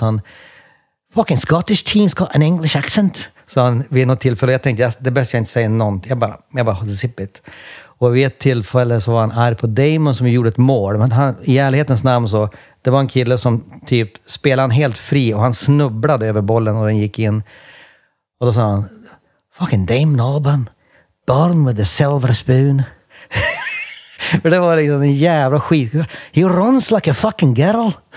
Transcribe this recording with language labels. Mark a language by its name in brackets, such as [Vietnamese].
[English] Han, fucking Scottish team's got an English accent. [Swedish] Så han vid något tillfälle. Jag tänkte, det bästa jag inte säger någonting. Jag bara, [English] zip it. [Swedish] Och vid ett tillfälle så var han arg på Damon som gjorde ett mål. Men han, i ärlighetens namn så, det var en kille som typ spelade han helt fri. Och han snubblade över bollen och den gick in. Och då sa han, fucking Dame Nobben. [English] Barn with the silver spoon. [Swedish] För det var liksom en jävla skit. [English] He runs like a fucking girl.